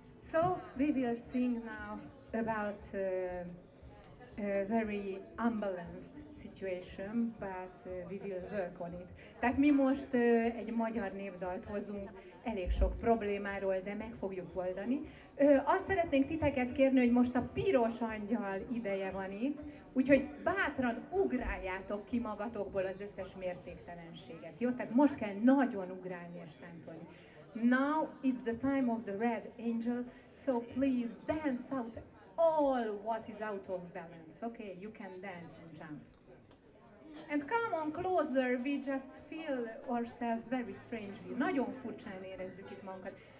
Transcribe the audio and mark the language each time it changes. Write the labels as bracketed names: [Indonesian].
[English] So, we will sing now about a very unbalanced situation, but we will work on it. [Hungarian] Tehát mi most egy magyar népdalt hozunk elég sok problémáról, de meg fogjuk oldani. Azt szeretnénk titeket kérni, hogy most a piros angyal ideje van itt, úgyhogy bátran ugráljátok ki magatokból az összes mértéktelenséget, jó? Tehát most kell nagyon ugrálni és táncolni. [English] Now it's the time of the red angel, so please dance out all what is out of balance, okay? You can dance and jump. And come on closer, we just feel ourselves very strangely. [Hungarian] Nagyon furcsán érezzük itt magunkat.